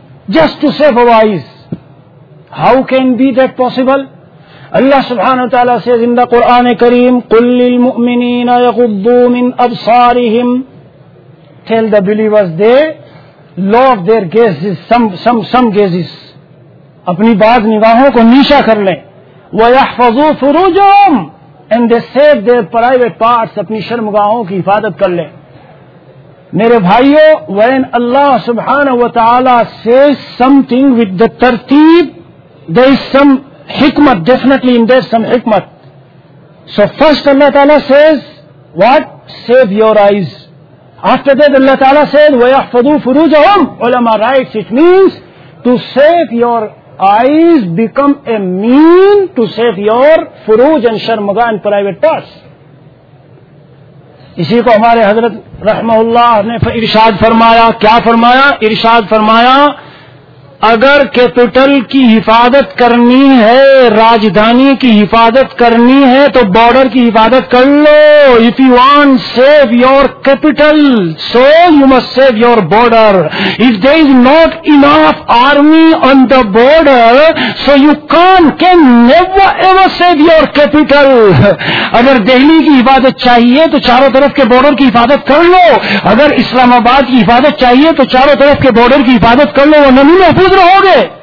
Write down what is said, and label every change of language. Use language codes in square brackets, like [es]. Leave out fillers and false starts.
[en] Just to save our eyes. How can be that possible? Allah subhanahu wa ta'ala says in the Quran Kareem, [ar] قُلْ لِلْمُؤْمِنِينَ يَغُضُّوا مِنْ أَبْصَارِهِمْ. [en] Tell the believers they lower their gazes, some gazes. [ur] اپنی بعض نگاہوں کو نیشہ کر لیں. [ar] وَيَحْفَظُوا فُرُوجَهُمْ. [en] And they save their private parts, [ur] اپنی شرمگاہوں کی حفاظت کر لیں. میرے بھائیو, [en] when Allah subhanahu wa ta'ala says something with the tartib, there is some hikmat, definitely in there some hikmat. So first Allah ta'ala says, what? Save your eyes. After that Allah ta'ala says, [ar] وَيَحْفَظُوا فُرُوجَهُمْ. [en] Ulama writes, it means to save your eyes become a mean to save your furuj and sharmaga and private parts. [ur] اسی کو ہمارے حضرت رحمہ اللہ نے ارشاد فرمایا. کیا فرمایا؟ ارشاد فرمایا, اگر کیپٹل کی حفاظت کرنی ہے, راجدھانی کی حفاظت کرنی ہے, تو بارڈر کی حفاظت کر لو. [en] If you want to save your capital, so you must save your border. If there is not enough army on the border, so you can never ever save your capital. [ur] اگر دہلی کی حفاظت چاہیے تو چاروں طرف کے بارڈر کی حفاظت کر لو. اگر اسلام آباد کی حفاظت چاہیے تو چاروں طرف کے بارڈر کی حفاظت کر لو, ورنہ نہیں محفوظ رہو گے.